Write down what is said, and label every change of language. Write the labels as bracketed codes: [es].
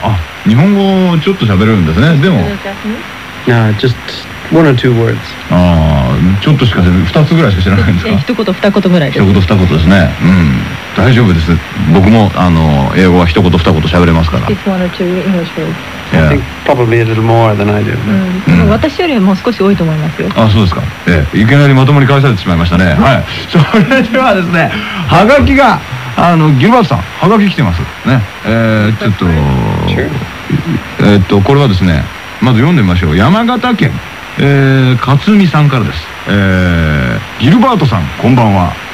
[ja] あ、日本語ちょっと喋れるんですね。でも、 [en] just one or two words。 [ja] ちょっとしか、二つぐらいしか知らないんですか。一言二言ぐらいです。一言二言ですね。うん、大丈夫です。僕もあの英語は一言二言喋れますから。 [en] It's one or two English words。 Yeah. I think probably a little more than I do。 [ja] 私よりも少し多いと思いますよ。あ、そうですか。いきなりまともに返されてしまいましたね。はい。それではですね、はがきが。あのギルバートさん、ハガキ来てますね。ちょっと、これはですね、まず読んでみましょう。山形県、勝美さんからです。ギルバートさん、こんばんは。